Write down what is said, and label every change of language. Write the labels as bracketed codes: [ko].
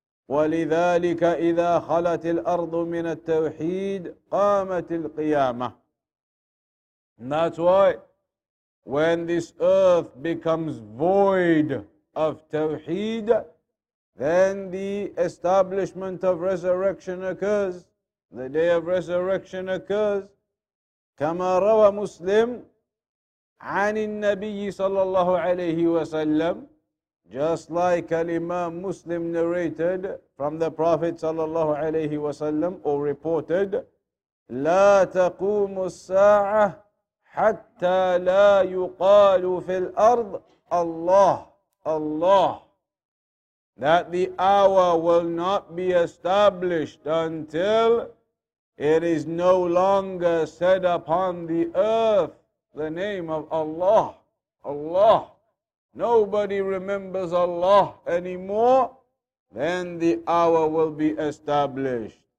[ar] وَلِذَٰلِكَ إِذَا خَلَتِ الْأَرْضُ مِنَ التَّوْحِيدِ قَامَتِ الْقِيَامَةِ. [en] And that's why when this earth becomes void of tawheed, then the establishment of resurrection occurs. The day of resurrection occurs. [ar] كما روى مسلم عن النبي صلى الله عليه وسلم. [en] Just like Imam Muslim narrated from the Prophet صلى الله عليه وسلم, or reported, [ar] لا تقوم الساعة حتى لا يقال في الأرض الله الله. [en] That the hour will not be established until it is no longer said upon the earth the name of Allah, Allah. Nobody remembers Allah anymore, then the hour will be established.